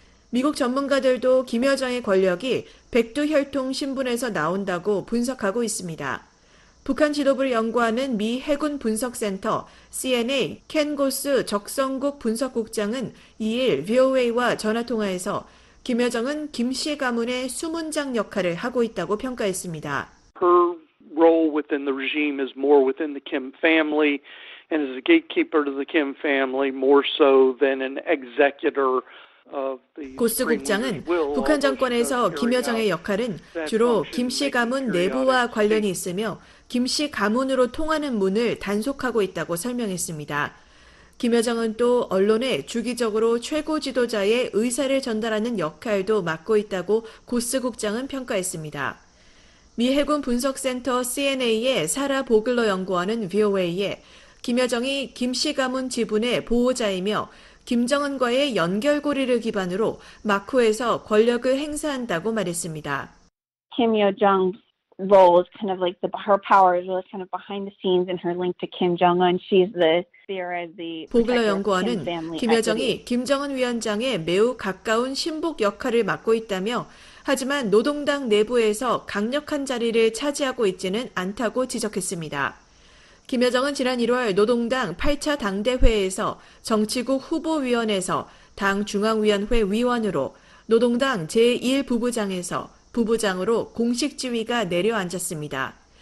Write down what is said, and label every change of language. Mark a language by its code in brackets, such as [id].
[ko] 미국 전문가들도 김여정의 권력이 백두혈통 신분에서 나온다고 분석하고 있습니다. 북한 지도부를 연구하는 미 해군 분석센터 CNA 켄 고스 적성국 분석국장은 2일 VOA와 전화통화에서 김여정은 김 씨 가문의 수문장 역할을 하고 있다고 평가했습니다. [en] Role within the regime is more within the Kim family and is a gatekeeper to the Kim family more so than an executor of the [ko] 고스 국장은 북한 정권에서 김여정의 역할은 주로 김 씨 가문 내부와 관련이 있으며 김 씨 가문으로 통하는 문을 단속하고 있다고 설명했습니다. 김여정은 또 언론에 주기적으로 최고 지도자의 의사를 전달하는 역할도 맡고 있다고 고스 국장은 평가했습니다. 미 해군 분석센터 CNA의 사라 보글러 연구원은 VOA에 김여정이 김 씨 가문 지분의 보호자이며 김정은과의 연결고리를 기반으로 마쿠에서 권력을 행사한다고 말했습니다. [en] Kim Yo-jung's role is kind of like the, her power is kind of behind the scenes and her link to Kim Jong-un. She's the [ko] 보글러 연구원은 김여정이 김정은 위원장의 매우 가까운 신복 역할을 맡고 있다며 하지만 노동당 내부에서 강력한 자리를 차지하고 있지는 않다고 지적했습니다. 김여정은 지난 1월 노동당 8차 당대회에서 정치국 후보위원에서 당 중앙위원회 위원으로 노동당 제1부부장에서 부부장으로 공식 지위가 내려앉았습니다.